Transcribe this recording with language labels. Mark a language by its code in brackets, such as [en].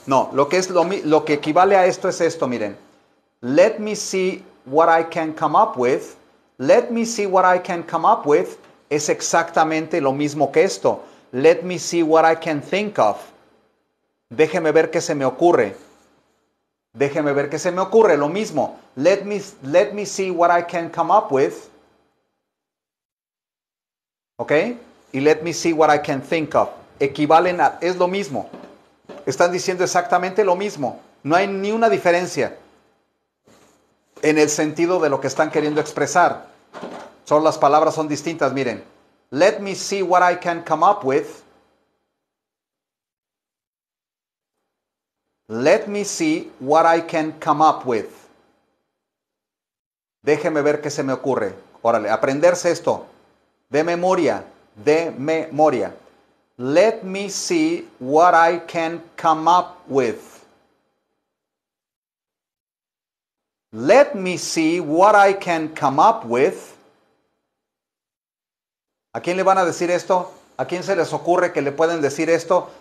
[es] No, lo que equivale a esto es esto, miren. [en] Let me see what I can come up with. Let me see what I can come up with. [es] Es exactamente lo mismo que esto. [en] Let me see what I can think of. [es] Déjeme ver qué se me ocurre. Déjeme ver qué se me ocurre. Lo mismo. [en] Let me see what I can come up with. ¿Ok? Y let me see what I can think of. [es] Equivalen a... Es lo mismo. Están diciendo exactamente lo mismo. No hay ni una diferencia en el sentido de lo que están queriendo expresar. Solo las palabras son distintas. Miren. [en] Let me see what I can come up with. Let me see what I can come up with. [es] Déjeme ver qué se me ocurre. Órale, aprenderse esto. De memoria. De memoria. [en] Let me see what I can come up with. Let me see what I can come up with. [es] ¿A quién le van a decir esto? ¿A quién se les ocurre que le pueden decir esto?